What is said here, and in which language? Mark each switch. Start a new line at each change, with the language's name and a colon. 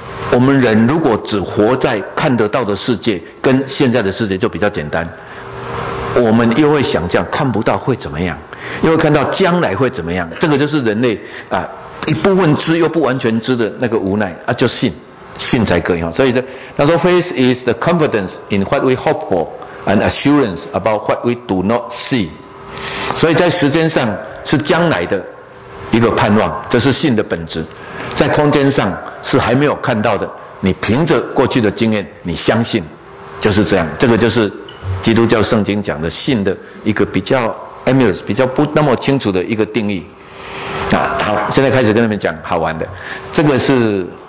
Chinese: 我们人如果只活在看得到的世界跟现在的世界就比较简单，我们又会想象看不到会怎么样，又会看到将来会怎么样，这个就是人类啊一部分知又不完全知的那个无奈啊，就信，信才可以。所以他说
English: Faith is the confidence in what we hope for and assurance about what we do not see。
Chinese: 所以在时间上是将来的一个盼望，这是信的本质。在空间上是还没有看到的，你凭着过去的经验你相信，就是这样。这个就是基督教圣经讲的信的一个比较 ambiguous， 比较不那么清楚的一个定义。好，现在开始跟你们讲好玩的。这个是